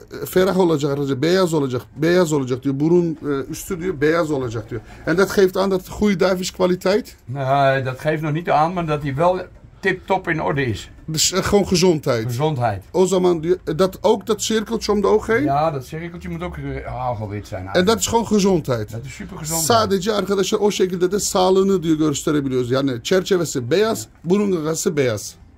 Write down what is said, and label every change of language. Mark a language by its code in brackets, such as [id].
[tr] Ferah olacak aracı, beyaz olacak, beyaz olacak diyor, burun üstü diyor, beyaz olacak diyor. [nl] En dat geeft aan dat goede duif is kwaliteit? Nee, dat geeft nog niet aan, maar dat hij wel tip top in orde is. Dus gewoon gezondheid? Gezondheid. O zaman, dat ook dat cirkeltje om de oog heen? Ja, dat cirkeltje moet ook hagelwit zijn eigenlijk. En dat is gewoon gezondheid? Dat is super gezondheid. [tr] Sadece arkadaşlar o şekilde de sağlığını diyor gösterebiliyoruz. Yani çerçevesi beyaz, burun gagası beyaz.